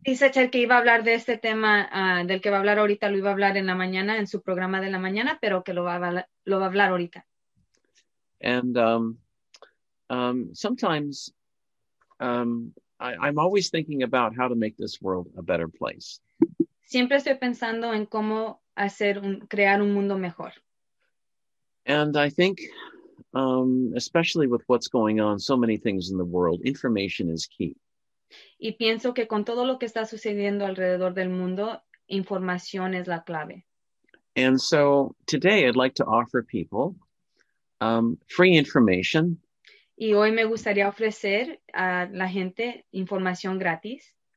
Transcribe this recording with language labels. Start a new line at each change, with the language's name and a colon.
Spanish: dice Ted que iba a hablar de este tema del que va a hablar ahorita, lo iba a hablar en la mañana en su programa de la mañana, pero que lo va a hablar ahorita.
English: And sometimes I'm always thinking about how to make this world a better place.
Spanish: Siempre estoy pensando en cómo crear un mundo mejor.
English: And I think especially with what's going on, so many things in the world, information is key.
Spanish: Y pienso que con todo lo que está sucediendo alrededor del mundo, información es la clave.
English: And so today I'd like to offer people free information.
Spanish: Y hoy me gustaría ofrecer a la gente información gratis.